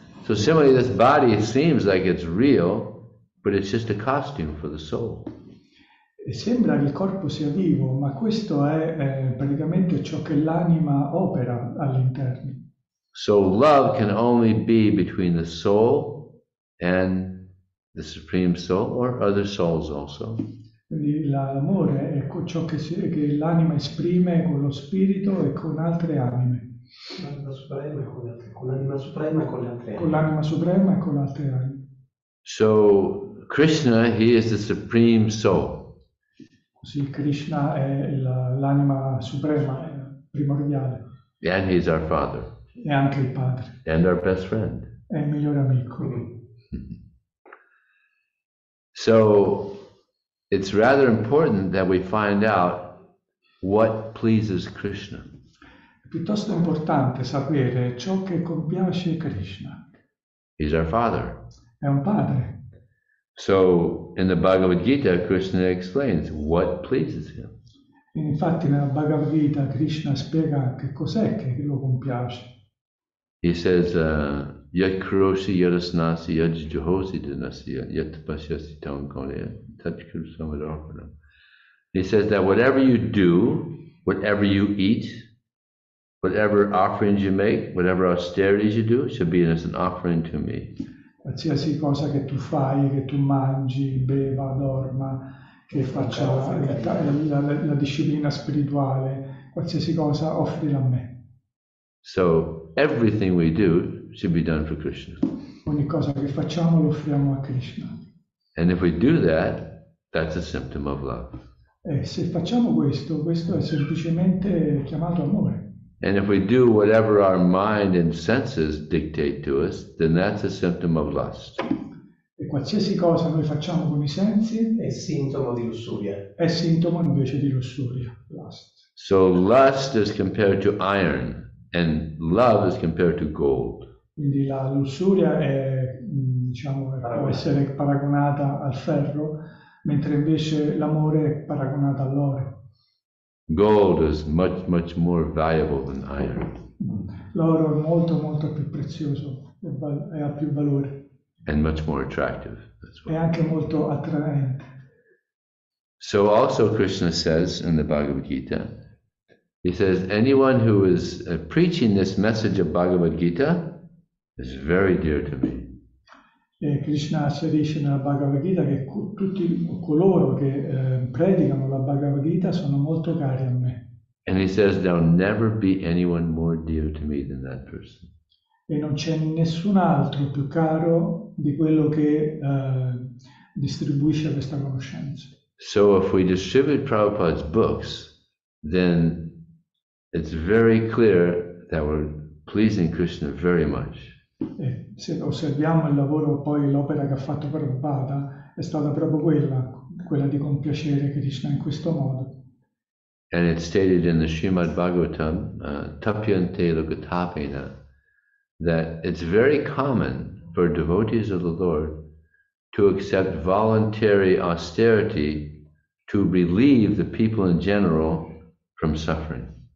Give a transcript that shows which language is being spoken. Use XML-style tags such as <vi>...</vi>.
<en>So similarly this body seems like it's real, but it's just a costume for the soul.</en> <it>E sembra che il corpo sia vivo, ma questo è praticamente ciò che l'anima opera all'interno.</it> <en>So love can only be between the soul and the supreme soul or other souls also.</en> <it>Quindi l'amore è ciò che l'anima esprime con lo spirito e con altre anime. L'anima suprema e con le altre anime. Con l'anima suprema e con le altre anime.</it> <en>So Krishna, he is the supreme soul.</en> <it>Sì, Krishna è l'anima suprema, primordiale.</it> <en>And he's our father.</en> <it>E anche il padre.</it> <en>And our best friend.</en> <it>È il migliore amico.</it> <en>So, it's rather important that we find out what pleases Krishna.</en> <it>È piuttosto importante sapere ciò che compiace Krishna.</it> <en>He's our father.</en> <it>È un padre.</it> <en>So in the Bhagavad Gita, Krishna explains what pleases him.</en> <it>Infatti nella Bhagavad Gita Krishna spiega che cos'è che lo compiace.</it> <en>He says,</en> <sa>"Yat kroshi yadasnasi yad juhosi dinasi yat pasyasi tamkoni tat kusamadarpana."</sa> <en>He says that whatever you do, whatever you eat, whatever offerings you make, whatever austerities you do, should be as an offering to me.</en> <it>Qualsiasi cosa che tu fai, che tu mangi, beva, dorma, che faccia la disciplina spirituale, qualsiasi cosa offrila a me.</it> <en>So everything we do should be done for Krishna.</en> <it>Ogni cosa che facciamo lo offriamo a Krishna.</it> <en>And if we do that, that's a symptom of love.</en> <it>E se facciamo questo, questo è semplicemente chiamato amore.</it> <en>And if we do whatever our mind and senses dictate to us, then that's a symptom of lust.</en> <it>E qualsiasi cosa noi facciamo con i sensi è sintomo di lussuria. È sintomo invece di lussuria, lust.</it> <en>So lust is compared to iron, and love is compared to gold.</en> <it>Quindi la lussuria è, diciamo, può essere paragonata al ferro, mentre invece l'amore è paragonata all'oro.</it> <en>Gold is much, much more valuable than iron.</en> <it>L'oro è molto, molto più prezioso, e ha più valore.</it> <en>And much more attractive. That's what.</en> <it>È anche molto attraente.</it> <en>So also Krishna says in the Bhagavad Gita, he says, anyone who is preaching this message of Bhagavad Gita is very dear to me.</en> <it>Krishna asserisce nella Bhagavad Gita che tutti coloro che predicano la Bhagavad Gita sono molto cari a me.</it> <en>And he says, there'll never be anyone more dear to me than that person.</en> <it>E non c'è nessun altro più caro di quello che distribuisce questa conoscenza.</it> <en>So if we distribute Prabhupada's books, then it's very clear that we're pleasing Krishna very much.</en> <it>E se osserviamo il lavoro, poi l'opera che ha fatto Prabhupada è stata proprio quella di compiacere Krishna in questo modo.</it> <en>And it's stated in the Srimad Bhagavatam,</en> <sa>Tapyante Lokatapena,</sa> <en>that it's very common for devotees of the Lord to accept voluntary austerity to relieve the people in general from suffering.</en>